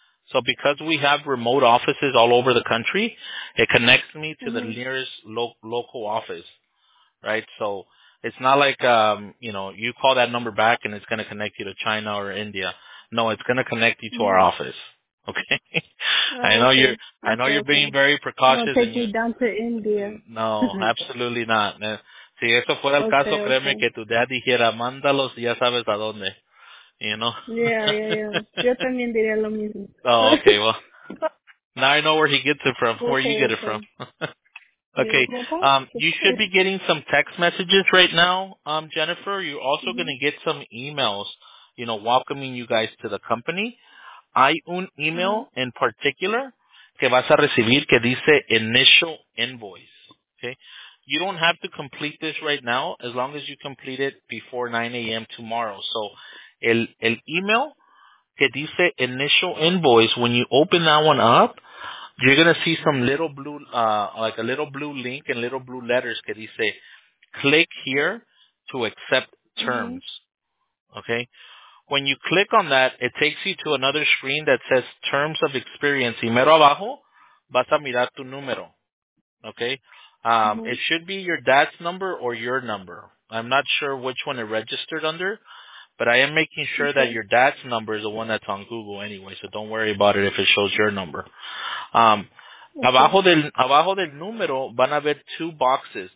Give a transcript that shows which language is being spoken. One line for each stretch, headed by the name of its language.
English: So because we have remote offices all over the country, it connects me to the nearest local office. Right, so it's not like you know, you call that number back and it's going to connect you to China or India. No, it's going to connect you to our office. Okay. I know you're being very precautious. I'm going to take you down to India. No, absolutely not.
Spanish: Si eso fuera el caso, créeme que tu dad dijera, mándalos y ya sabes a dónde.
English: You know?
Spanish: Yeah. Yo también diría lo mismo.
English: Oh, okay. Well, Now I know where he gets it from, where you get it from. Okay, you should be getting some text messages right now, Jennifer. You're also mm-hmm. going to get some emails, you know, welcoming you guys to the company.
Spanish: Hay un email mm-hmm.
English: in particular
Spanish: que vas a recibir que dice
English: initial invoice. Okay, you don't have to complete this right now as long as you complete it before 9 a.m. tomorrow. So
Spanish: el email que dice
English: initial invoice, when you open that one up, you're going to see some little blue, like a little blue link and little blue letters that say, click here to accept terms. Mm-hmm. Okay. When you click on that, it takes you to another screen that says terms of experience.
Spanish: Y mero abajo, vas a mirar tu número.
English: Okay. Mm-hmm. It should be your dad's number or your number. I'm not sure which one it registered under, but I am making sure mm-hmm. that your dad's number is the one that's on Google anyway. So don't worry about it if it shows your number.
Spanish: Abajo del número van a ver
English: two boxes.